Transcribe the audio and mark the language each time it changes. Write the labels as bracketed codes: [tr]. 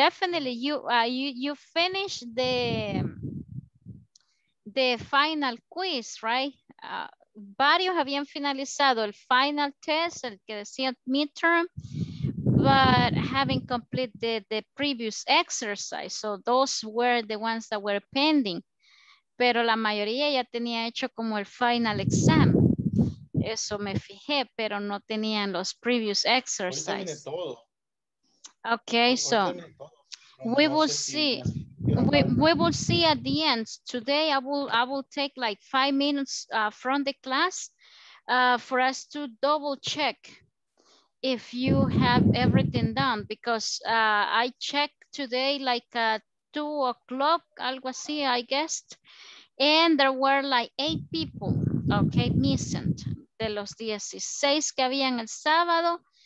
[en] Definitely, you you finished the final quiz, right? [es] Varios habían finalizado el final test, el que decía midterm, [en] but having completed the previous exercise. So those were the ones that were pending. [es] Pero la mayoría ya tenía hecho como el final exam. Eso me fijé, pero no tenían los previous exercises. [en] Okay, so we will see at the end. Today I will take like 5 minutes from the class for us to double check if you have everything done, because I checked today like at 2 o'clock, [es] algo así, [en] I guessed, and there were like 8 people, okay, missing [es] de los 16 que habían el sábado.